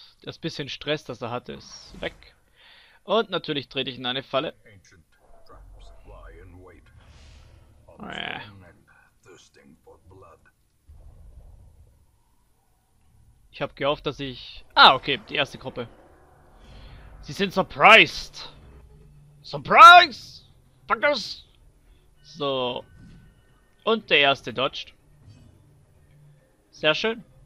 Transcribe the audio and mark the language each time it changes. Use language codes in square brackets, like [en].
[de] Das bisschen Stress, das er hatte, ist weg. Und natürlich trete ich in eine Falle. [en] Ancient traps lie in wait, [de] Naja. [en] unstrung and thirsting for blood. [de] Ich habe gehofft, dass ich. Ah, okay, die erste Gruppe. Sie sind surprised. [en] Surprise! Fuckers! [de] So. Und der erste dodged. Sehr schön.